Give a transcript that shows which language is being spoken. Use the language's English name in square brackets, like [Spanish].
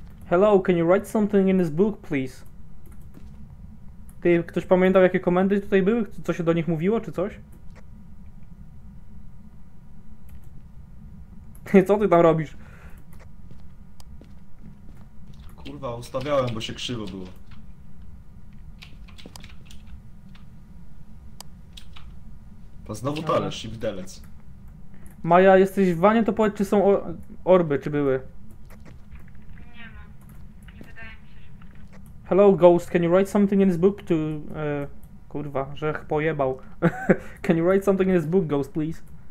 [English] Hello, can you write something in this book, please? [Polish] Ty, ktoś pamiętał, jakie komendy tutaj były? Co się do nich mówiło, czy coś? Co ty tam robisz? Kurwa, ustawiałem, bo się krzywo było. A znowu talerz i widelec. Maja, jesteś w wanie, to powiedz, czy są orby, czy były? Nie ma. Nie wydaje mi się, żeby... [English] Hello, ghost, can you write something in this book to... [Polish] kurwa, żech pojebał. [English] Can you write something in this book, ghost, please?